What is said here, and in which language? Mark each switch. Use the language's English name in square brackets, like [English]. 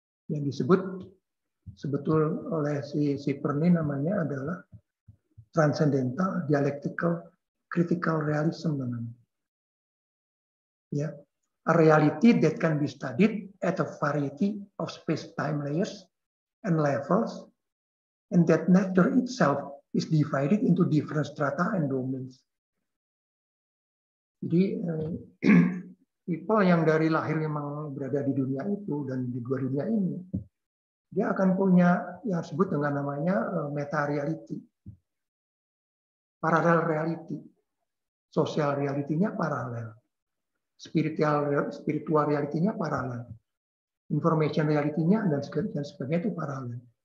[Indonesian] Yang disebut sebetul oleh si Perni namanya adalah transcendental dialectical critical realism namanya. [English] Ya, a reality that can be studied at a variety of space time layers and levels, and that nature itself is divided into different strata and domains. [Indonesian] Jadi people yang dari lahir memang berada di dunia itu dan di dua dunia ini, dia akan punya yang disebut dengan namanya meta reality, parallel reality, social reality-nya paralel, spiritual reality-nya paralel, information reality-nya dan sebagainya itu paralel.